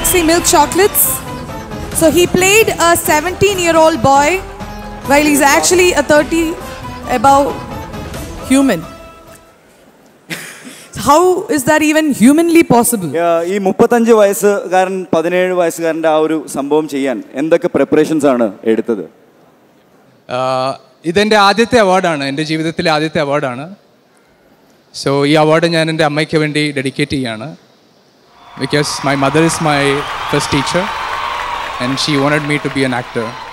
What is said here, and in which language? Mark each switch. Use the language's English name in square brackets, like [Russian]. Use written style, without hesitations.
[English] Milk Chocolates. So he played a 17-year-old boy while he's actually a 30 above human. How is that even humanly possible? [Malayalam] ഈ 35 വയസ്സുകാരൻ 17 വയസ്സുകാരന്റെ ആ ഒരു സംഭവം ചെയ്യാൻ എന്തൊക്കെ പ്രിപ്പറേഷൻസ് ആണ് എടുത്തത്? ഇതെന്റെ ആദ്യത്തെ അവാർഡാണ്, എന്റെ ജീവിതത്തിലെ ആദ്യത്തെ അവാർഡാണ്. സോ ഈ അവാർഡ് ഞാൻ എന്റെ അമ്മയ്ക്ക് വേണ്ടി ഡെഡിക്കേറ്റ് ചെയ്യാണ്. [English] Because my mother is my first teacher and she wanted me to be an actor.